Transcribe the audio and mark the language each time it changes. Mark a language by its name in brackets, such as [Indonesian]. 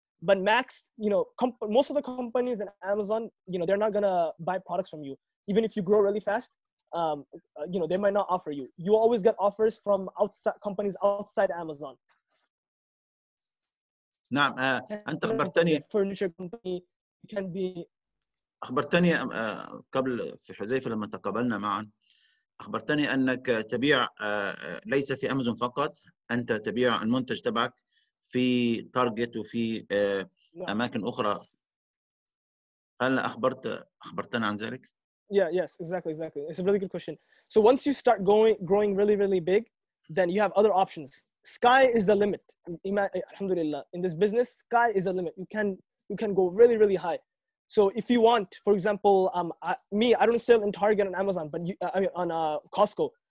[English] But Max, most of the companies in Amazon, they're not gonna buy products from you. Even if you grow really fast, they might not offer you. You always get offers from outside companies outside Amazon. [Arabic] نعم. أنت خبرتني. [English] Furniture company can be. [Arabic] أخبرتني قبل في حذيفة لما تقابلنا معا. أخبرتني أنك تبيع ليس في أمازون فقط. أنت تبيع المنتج تبعك في تارجت وفي أماكن أخرى. هل أخبرتنا عن ذلك؟ [English] Yeah, yes, exactly. It's a really good question. So once you start growing really, really big, then you have other options. Sky is the limit. Alhamdulillah, in this business, sky is the limit. You can go really, really high. So if you want, for example, I don't sell in Target and Amazon, but on Costco.